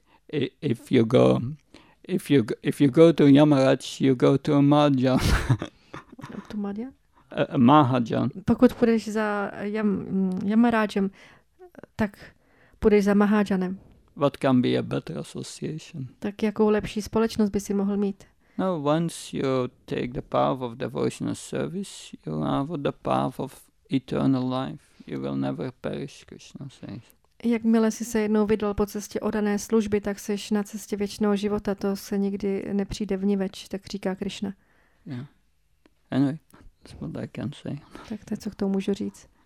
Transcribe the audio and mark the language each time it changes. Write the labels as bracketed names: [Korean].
[English] If you go to Yamaraj, you go to a Mahajan. To Mahajan? Mahajan. [Czech] Pokud půjdeš za Yamarajem, tak půjdeš za Mahajanem. [English] What can be a better association? [Czech] Tak jakou lepší společnost by si mohl mít? [English] No, once you take the path of devotional service, you have the path of eternal life. You will never perish, Krishna says. [Czech] Jakmile jsi se jednou vydal po cestě odané služby, tak jsi na cestě věčného života. To se nikdy nepřijde vniveč, tak říká Krishna. [English] Yeah. Anyway, that's what I can say. [Czech] Tak to je, co k tomu můžu říct.